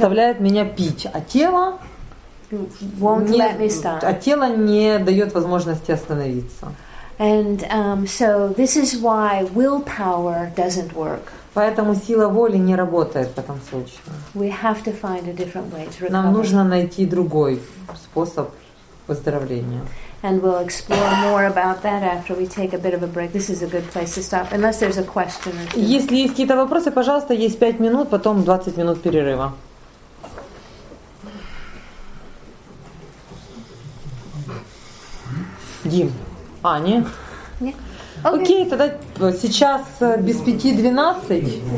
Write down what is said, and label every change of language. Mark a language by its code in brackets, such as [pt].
[ru] заставляет меня пить, а тело [en] won't не, let me start. [ru] А тело не дает возможности остановиться. [en] And so this is why willpower doesn't work. [ru] Поэтому сила воли не работает в этом случае. [en] We have to find a different way to recover. [ru] Нам нужно найти другой способ выздоровления. [en] And we'll explore more about that after we take a bit of a break. This is a good place to stop, unless there's a question or two. [ru] Если есть какие-то вопросы, пожалуйста, есть 5 минут, потом 20 минут перерыва. Дим, Аня? Нет. Окей, тогда сейчас без 5:12.